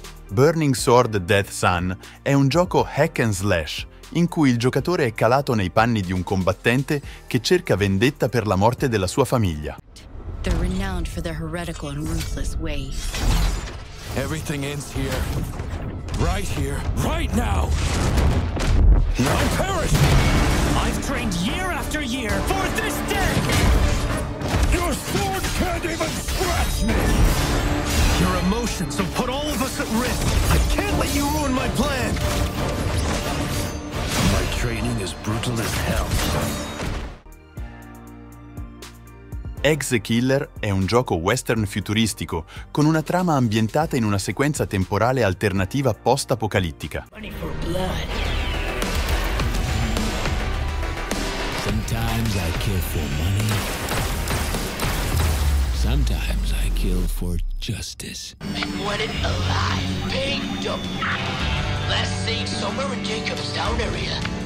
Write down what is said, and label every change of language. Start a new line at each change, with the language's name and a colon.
Italian: Burning Sword Death Sun è un gioco hack and slash in cui il giocatore è calato nei panni di un combattente che cerca vendetta per la morte della sua famiglia.
English: They're renowned for their heretical and ruthless ways. Everything ends here. Right here, right now. No parachute! I've trained year after year for this day! Your sword can't even scratch me! Your emotions have put all of us at risk! I can't let you ruin my plan! My training is brutal as hell.
Italian: Ex-Killer è un gioco western futuristico con una trama ambientata in una sequenza temporale alternativa post-apocalittica.
English: Sometimes I kill for money. Sometimes I kill for justice. And what if alive being dumb? Last seen somewhere in Jacob's Town area.